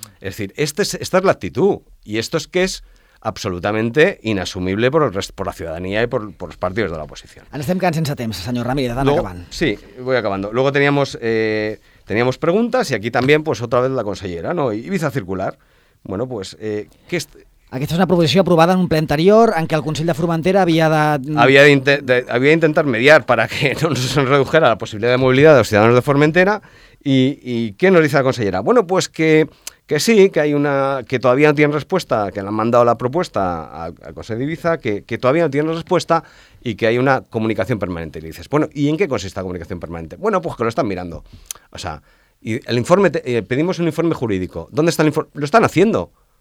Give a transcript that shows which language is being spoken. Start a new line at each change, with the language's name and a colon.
Spanish: Es decir, esta es la actitud. Y esto es que es absolutamente inasumible por la ciudadanía y por los partidos de la oposición.
Catalan: Ens estem quedant sense temps, senyor Ramírez. Anem acabant.
Spanish: Sí, voy acabando. Luego teníamos preguntas y aquí también, pues otra vez la consellera, ¿no? Ibiza Circular. Bueno, pues...
Catalan: Aquesta és una proposició aprovada en un ple anterior en què el Consell de Formentera havia d'intentar mediar
Spanish: para que no se redujera la
Catalan: possibilitat de mobilitat dels ciutadans de Formentera. I què
Spanish: nos dice la consellera? Bueno, pues que sí, que hay una que todavía no tienen respuesta, que le han mandado la propuesta al Consell d'Ibiza, que todavía no tienen respuesta y que hay una comunicación permanente. Y dices, bueno, ¿y en qué consiste la comunicación permanente? Bueno, pues que lo están mirando. O sea, y el informe, pedimos un informe jurídico. ¿Dónde está el informe? Lo están haciendo.